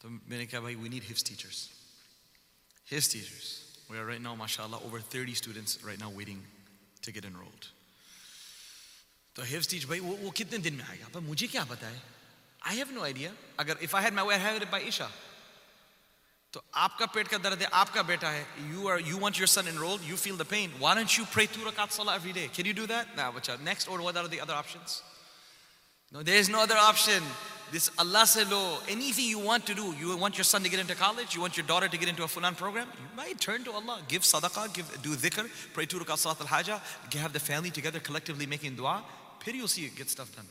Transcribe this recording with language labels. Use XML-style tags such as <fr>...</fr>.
<en>We need HIFS teachers. HIFS teachers. We are right now, mashallah, over 30 students right now waiting to get enrolled. So HIFS teacher, I have no idea. If I had my way, I'd have it by Isha.</en> <ur>سو آپکا پیٹ کا درد ہے، آپکا بیٹا ہے۔</ur> <en>You want your son enrolled, you feel the pain. Why don't you pray 2 rakat salah every day? Can you do that? Nah, bacha. Next, or what are the other options? No, there is no other option. This</en> <ur>Allah se lo,</ur> <en>anything you want to do, you want your son to get into college, you want your daughter to get into a fulan program, you might turn to Allah, give sadaqah, do dhikr, pray 2 rakat salat al-haja, have the family together collectively making dua, then you'll see it get stuff done.</en>